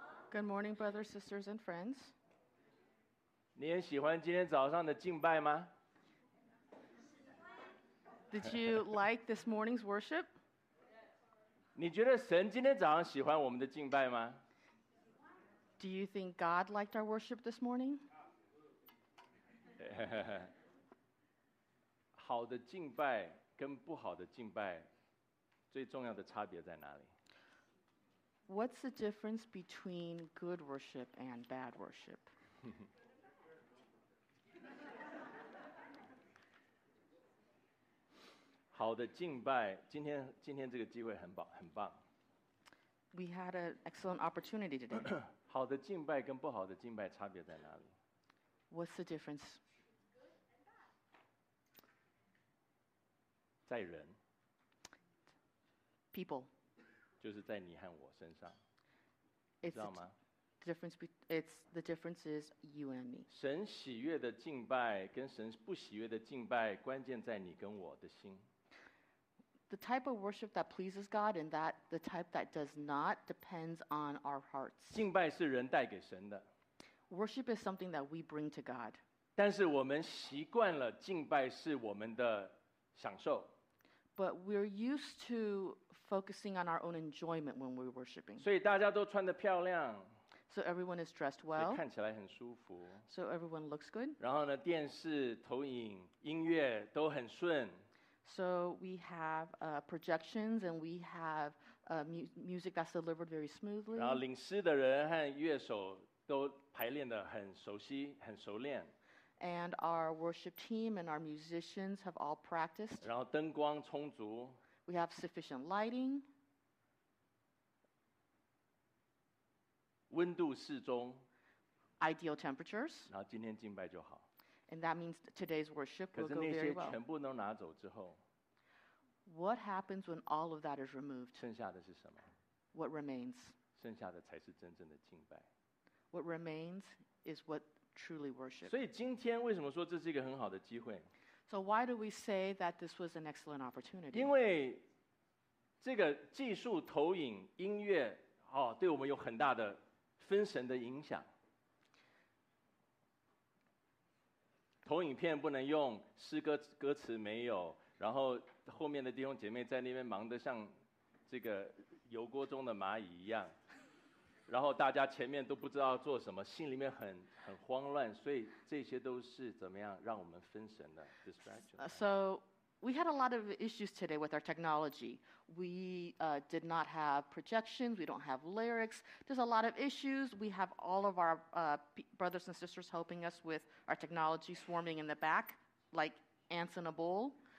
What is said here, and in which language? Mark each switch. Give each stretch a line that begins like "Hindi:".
English: Good morning, brothers, sisters, and friends.
Chinese: 你很喜欢今天早上的敬拜吗？
English: Did you like this morning's worship?
Chinese: 你觉得神今天早上喜欢我们的敬拜吗？
English: Do you think God liked our worship this morning?
Chinese: 好的敬拜跟不好的敬拜最重要的差别在哪里？
English: What's the difference between good worship and bad worship?
Chinese: 好的敬拜，今天这个机会很棒。
English: We had an excellent opportunity today.
Chinese: 好的敬拜跟不好的敬拜差别在哪里？
English: What's the difference?
Chinese: 在人。
English: People.
Chinese: 就是在你和我身上，知道吗？
English: The difference is you and me.
Chinese: 神喜悦的敬拜跟神不喜悦的敬拜，关键在你跟我的心。
English: The type of worship that pleases God and that the type that does not depends on our hearts.
Chinese: 敬拜是人带给神的。
English: Worship is something that we bring to God.
Chinese: 但是我们习惯了敬拜是我们的享受。
English: But we're used to focusing on our own enjoyment when we're worshiping.
Chinese: 所以大家都穿得漂亮。
English: So everyone is dressed well.
Chinese: 所以看起来很舒服。
English: So everyone looks good.
Chinese: 然后呢，电视、投影、音乐都很顺。
English: So we have projections and we have music that's delivered very smoothly.
Chinese: 然后领诗的人和乐手都排练得很熟悉、很熟练。
English: And our worship team and our musicians have all practiced.
Chinese: 然后灯光充足。
English: We have sufficient lighting.
Chinese: 温度适中。
English: Ideal temperatures.
Chinese: 然后今天敬拜就好。
English: And that means today's worship will go very well.
Chinese: 可是那些全部都拿走之后。
English: What happens when all of that is removed?
Chinese: 剩下的是什么？
English: What remains?
Chinese: 剩下的才是真正的敬拜。
English: What remains is what... Truly worship.
Chinese: 所以今天为什么说这是一个很好的机会？
English: So why do we say that this was an excellent opportunity?
Chinese: 因为这个技术、投影、音乐，哦，对我们有很大的分神的影响。投影片不能用，诗歌歌词没有，然后后面的弟兄姐妹在那边忙得像这个油锅中的蚂蚁一样。然后大家前面都不知道做什么，心里面很慌乱，所以这些都是怎么样让我们分神的 distraction.
English: So we had a lot of issues today with our technology. We did not have projections. We don't have lyrics. There's a lot of issues. We have all of our brothers and sisters helping us with our technology swarming in the back, like ants in a bowl.